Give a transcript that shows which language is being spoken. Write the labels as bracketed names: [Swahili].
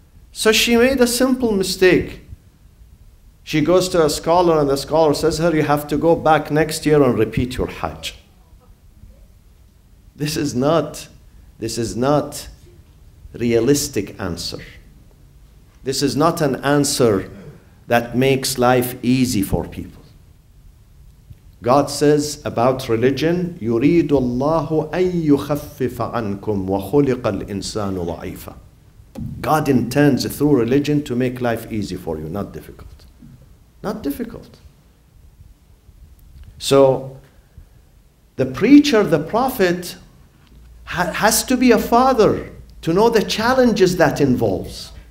[English] So she made a simple mistake. She goes to a scholar, and the scholar says to her, you have to go back next year and repeat your Hajj. This is not realistic answer. This is not an answer that makes life easy for people. [Arabic] God says about religion, يُرِيدُ اللَّهُ أَن يُخَفِّفَ عَنْكُمْ وَخُلِقَ الْإِنسَانُ ضَعِيفًا. [English] God intends through religion to make life easy for you, not difficult. Not difficult. So, the preacher, the prophet, has to be a father to know the challenges that involves.